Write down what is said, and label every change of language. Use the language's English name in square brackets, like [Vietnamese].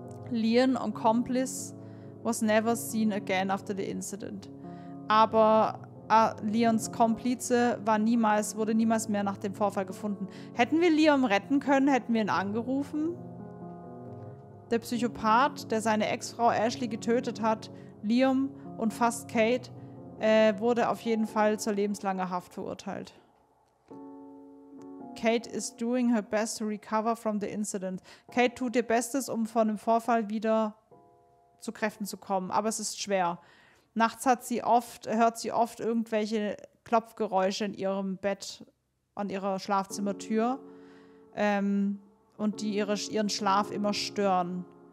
[English] Leon, accomplice, was never seen again after the incident. [German] Aber Leons Komplize wurde niemals mehr nach dem Vorfall gefunden. Hätten wir Leon retten können, hätten wir ihn angerufen? Der Psychopath, der seine Ex-Frau Ashley getötet hat, Leon und fast Kate, wurde auf jeden Fall zur lebenslangen Haft verurteilt. [English] Kate is doing her best to recover from the incident. [German] Kate tut ihr Bestes, um von dem Vorfall wieder zu Kräften zu kommen, aber es ist schwer. Nachts hört sie oft irgendwelche Klopfgeräusche in ihrem Bett, an ihrer Schlafzimmertür, und die ihren Schlaf immer stören.